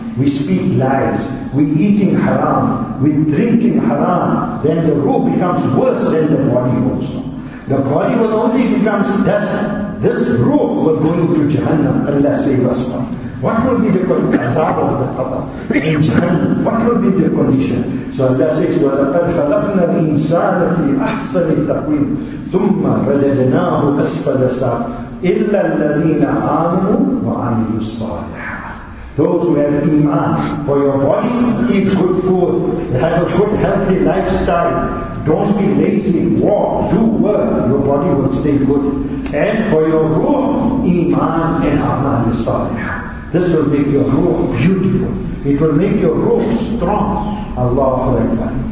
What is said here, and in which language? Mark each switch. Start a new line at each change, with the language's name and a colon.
English: We speak lies, we eating haram, we drinking haram, then the ruh becomes worse than the body also. The body will only become dust. This ruh will go into Jahannam, Allah save us from. What will be the azab of the qabr? In Jahannam, what will be the condition? So Allah says,
Arabic: وَلَقَدْ خَلَقْنَا الْإِنسَانَ فِي أَحْسَنِ التَّقْوِيمِ ثُمَّ رَدَدْنَاهُ أَسْفَلَ سَافِلِينَ إِلَّا الَّذِينَ آمُوا وَعَمِلُوا الصَّالِحَاتِ.
English: Those who have iman, for your body, eat good food, have a good healthy lifestyle, don't be lazy, walk, do work, your body will stay good. And for your ruh, iman and amal salihah. This will make your ruh beautiful. It will make your ruh strong. Allahu Akbar.